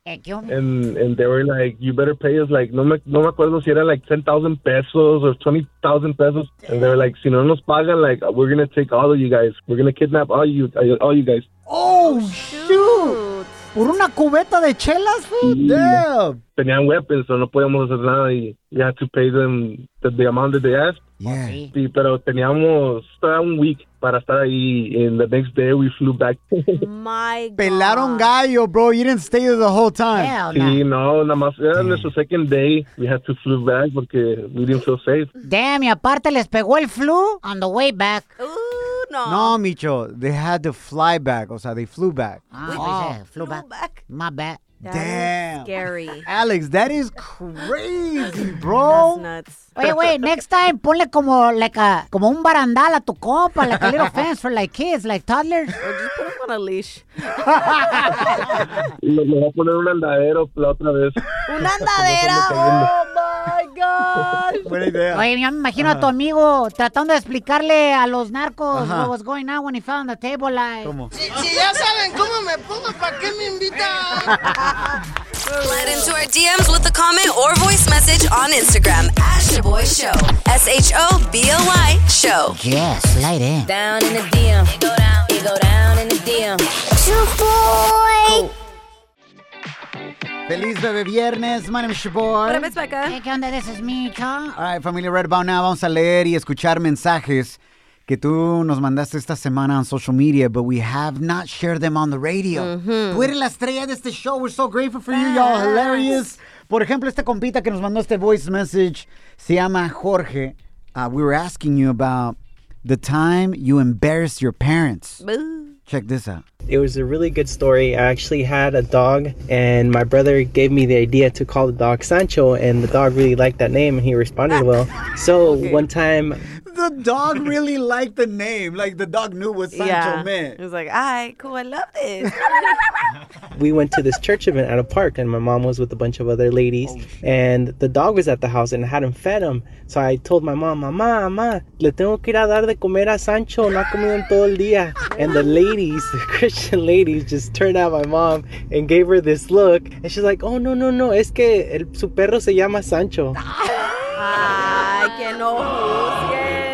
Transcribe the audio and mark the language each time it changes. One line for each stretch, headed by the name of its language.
English: And they were like, you better pay us, like,
Spanish: no me acuerdo si era,
English: like, 10,000 pesos or 20,000 pesos. And they were like,
Spanish: si no nos pagan,
English: like, we're going to take all of you guys. We're going to kidnap all you guys. Oh, shoot.
Spanish: ¿Por una cubeta de chelas? Damn. Tenían weapons, so no podíamos hacer nada.
English: Y you had to pay them the amount that they asked. Yeah.
Spanish: Sí, pero teníamos un week para estar ahí.
English: And the next day, we flew back. My God.
Spanish: Pelaron gallo,
English: bro. You didn't stay there the whole time. Hell no.
Spanish: Sí, no. Nada más era nuestro
English: second day. We had to flew back porque we didn't feel safe. Damn,
Spanish: y aparte les pegó el
English: flu on the way back. Ooh. no. No, Micho. They had to fly back.
Spanish: O sea,
English: they flew back. Flew back. My bad. Damn. Scary. Alex, that is crazy, bro. That's nuts. Wait. Next time,
Spanish: ponle como un barandal a tu compa,
English: like a little fence for like kids, like toddlers. Or just put him on a leash.
Spanish: Le voy a poner un andadero la otra vez. ¿Un andadero? Buena idea. Oye, yo me imagino a tu amigo tratando de explicarle a los narcos
English: what was going on when he fell on the table. Like.
Spanish: ¿Cómo? Si ya saben cómo me pongo, ¿para qué me invitan?
English: Slide into our DMs with a comment or voice message on Instagram. Shaboy Show. S-H-O-B-O-Y Show. Yeah, slide in. Down in the DM. You go down in the DM. Shaboy.
Spanish: Feliz bebé viernes,
English: my name is Shibor. What up, it's Becca. Hey,
Spanish: ¿qué onda?
English: This is me, Chaw. All right, familia, right about now,
Spanish: vamos a leer y escuchar mensajes que tú nos mandaste esta semana
English: on social media, but we have not shared them on the radio. Mm-hmm.
Spanish: Tú eres la estrella de este show.
English: We're so grateful for you, y'all. Hilarious.
Spanish: Por ejemplo, esta compita que nos mandó este voice message se llama Jorge.
English: We were asking you about the time you embarrassed your parents. Boo. Check this out. It was a really good story. I actually had a dog, and my brother gave me the idea to call the dog Sancho, and the dog really liked that name, and he responded well. So okay. One time... The dog really liked the name. Like, the dog knew what Sancho meant. He was like, all right, cool, I love this. We went to this church event at a park, and my mom was with a bunch of other ladies, and the dog was at the house, and I hadn't fed him. So I told my mom,
Spanish: mamá, le tengo que ir a dar de comer a Sancho, no ha comido en todo el día.
English: And the ladies, the Christian ladies, just turned at my mom and gave her this look, and she's like,
Spanish: oh, no, es que su perro se llama Sancho. Ay, que no.